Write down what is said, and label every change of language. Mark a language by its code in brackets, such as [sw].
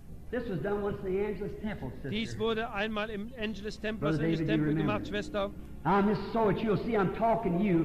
[en] This was done once in the Angelus Temple, sister. [de] Dies wurde einmal im Angelus Temple, also im Tempel gemacht, Schwester. [en] I'm just so that you'll see I'm talking to you.